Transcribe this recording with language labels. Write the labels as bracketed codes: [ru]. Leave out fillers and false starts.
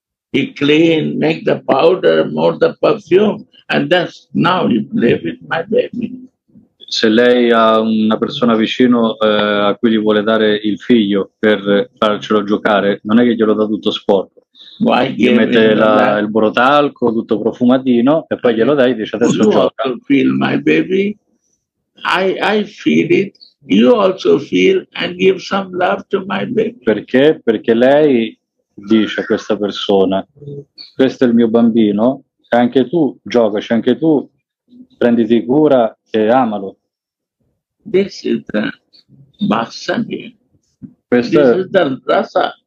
[en] He clean, make the powder, more the perfume, and that's now you play with my baby. [it] Se lei ha una persona vicino a cui gli vuole dare il figlio per farcelo giocare, non è che glielo dà tutto sporco. [en] Why [it] gli mette il borotalco, tutto profumatino, e poi glielo dai e dice adesso gioca. [en] You feel my baby? I feel it. You also feel and give some love to my baby. [it] Perché? Perché lei dice a questa persona, questo è il mio bambino, anche tu giocaci, anche tu prenditi cura e amalo. [en] This is the Vatsalya. [it] Questo [en] this is the rasa.